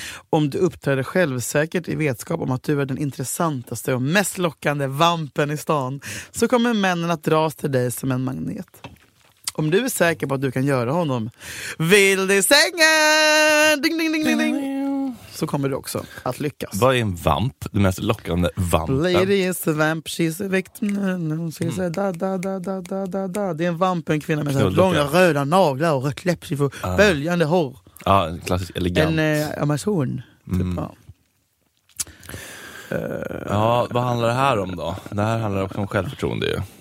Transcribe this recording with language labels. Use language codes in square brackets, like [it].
[sv] Om du uppträder självsäkert i vetskap om att du är den intressantaste och mest lockande vampen i stan så kommer männen att dras till dig som en magnet. Om du är säker på att du kan göra honom vild i sängen, ding ding ding ding ding, så kommer du också att lyckas. Vad är en vamp? Den mest lockande vampen. [en] Lady is a vamp, she's a victim. She's a da da da da da da da. [sv] Det är en vampen kvinna med långa röda naglar och kläppsig för böljande hår. Ja, en klassisk elegant. En amazon typ. Mm. Ja, vad handlar det här om då? Det här handlar också om självförtroende ju.